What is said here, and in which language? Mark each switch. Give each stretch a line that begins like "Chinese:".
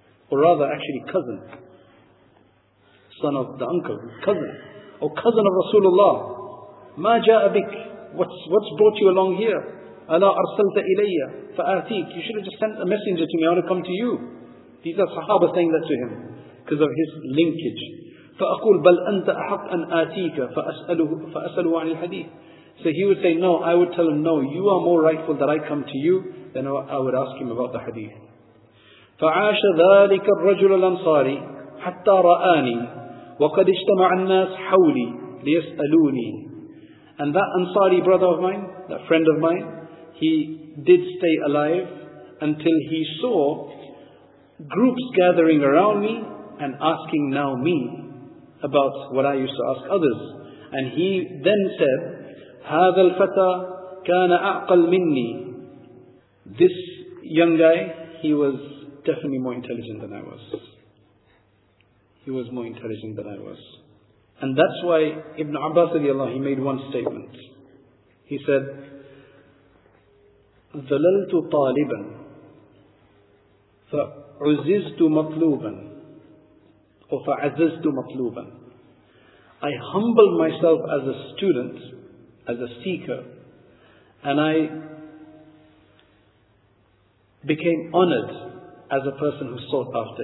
English: Or rather, actually, cousin. Son of the uncle. Cousin. Oh, cousin of Rasulullah.
Arabic: Ma ja'a bik.
English: What's brought you along here?
Arabic: Ala arsalta ilayya fa'atik.
English: You should have just sent a messenger to me. I want to come to you. These are sahaba saying that to him because of his linkage.
Arabic: فأقول بل أنت أحق أن آتيك فأسأله عن الحديث.
English: So he would say, no, I would tell him, no, you are more rightful that I come to you than I would ask him about the hadith.
Arabic: فعاش ذلك الرجل الأنصاري حتى رآني وقد اجتمع الناس حولي ليسألوني.
English: And that Ansari brother of mine, that friend of mine, he did stay alive until he saw groups gathering around me and asking now me about what I used to ask others. And he then said,
Arabic: هذا الفتى كان أعقل مني.
English: This young guy, he was definitely more intelligent than I was. He was more intelligent than I was. And that's why Ibn Abbas, he made one statement. He said,
Arabic: ذللت طالبا فعززت مطلوبا
English: أو فعززت مطلوبا I humbled myself as a student, as a seeker, and I became honored as a person who sought after.